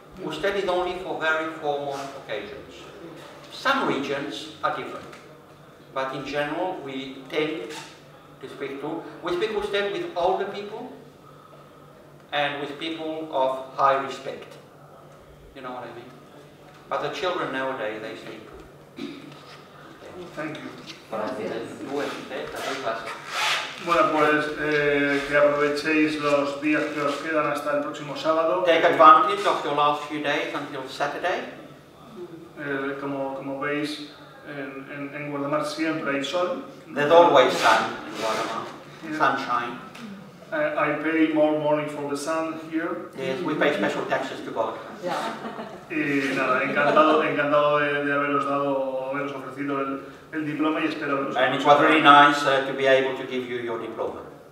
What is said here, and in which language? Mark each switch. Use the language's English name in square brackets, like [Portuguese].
[English] Usted is only for very formal occasions. Some regions are different, but in general we tend to speak tú. We speak usted with older people and with people of high respect, you know what I mean? But the children nowadays, they speak tú. Thank you. [Spanish] Bueno, pues que aprovechéis los días que os quedan hasta el próximo sábado. [English] Take advantage of your last few days until Saturday. [Spanish] Como veis, en Guadamar siempre hay sol. [English] There's always sun in Guadamar. Sunshine. I pay more money for the sun here. Yes, we pay special taxes to God. [Spanish] Yeah. Y nada, encantado de haberos ofrecido el diploma y espero que os [English] guste. And it was really nice to be able to give you your diploma.